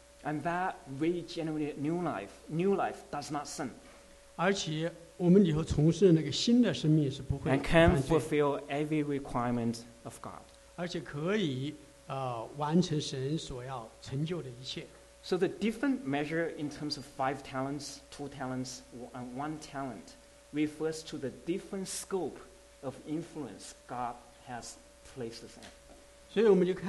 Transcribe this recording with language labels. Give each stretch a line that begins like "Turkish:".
English: And that regenerated new life does not sin.
Chinese: 而且我们里头重生的那个新的生命是不会犯罪。
English: And can fulfill every requirement of God.
Chinese: 而且可以完成神所要成就的一切。
English: So the different measure in terms of 5 talents, 2 talents, and 1 talent refers to the different scope of influence God has placed us in.